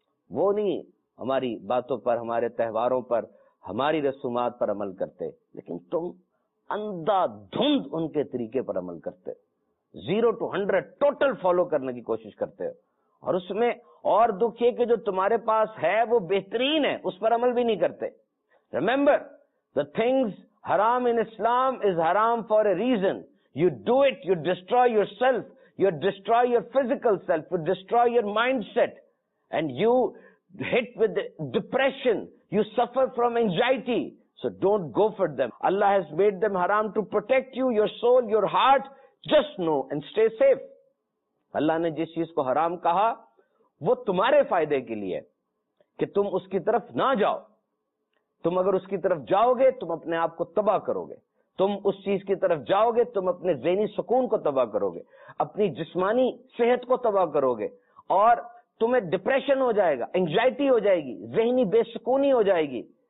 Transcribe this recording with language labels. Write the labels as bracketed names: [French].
[Urdu] وہ نہیں ہماری باتوں پر، ہمارے تہواروں پر، ہماری رسومات پر عمل کرتے، لیکن تم اندھا دھند ان کے طریقے پر عمل کرتے، 0 to 100 ٹوٹل فالو کرنے کی کوشش کرتے ہو، اور اس میں اور دکھ یہ کہ جو تمہارے پاس ہے وہ بہترین ہے، اس پر عمل بھی نہیں کرتے. [English] Remember the things haram in Islam is haram for a reason. You do it, you destroy yourself, you destroy your physical self, you destroy your mindset, and you hit with depression, you suffer from anxiety. So don't go for them. Allah has made them haram to protect you, your soul, your heart. Just know and stay safe. [Urdu] Allah نے جس چیز کو حرام کہا وہ تمہارے فائدے کے لیے، کہ تم اس کی طرف نہ جاؤ. تم اگر اس کی طرف جاؤ گے تم اپنے آپ کو تباہ کرو گے، تم اس چیز کی طرف جاؤ گے تم اپنے ذہنی سکون کو تباہ کرو گے، اپنی جسمانی صحت کو تباہ کرو گے، اور تمہیں ڈپریشن ہو جائے گا، انگزائٹی ہو جائے گی، ذہنی بے سکونی ہو جائے گی.